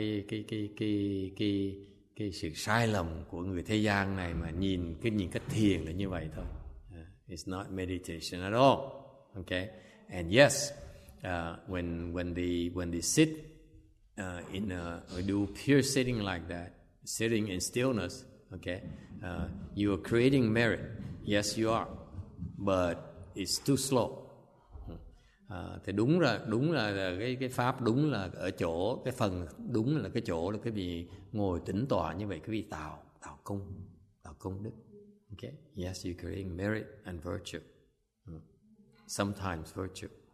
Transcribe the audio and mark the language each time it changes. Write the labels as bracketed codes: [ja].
[vi] Đây là cái sự sai lầm của người thế gian này mà nhìn cái thiền là như vậy thôi. [en] It's not meditation at all. Okay. And yes, when they sit do pure sitting like that, sitting in stillness, okay, you are creating merit. Yes, you are. But it's too slow. [vi] Thì đúng là cái pháp ở chỗ cái phần đúng là cái chỗ là cái gì ngồi tĩnh tọa như vậy, cái vị tạo công đức. Okay. [en] Yes, you create merit and virtue. Sometimes virtue.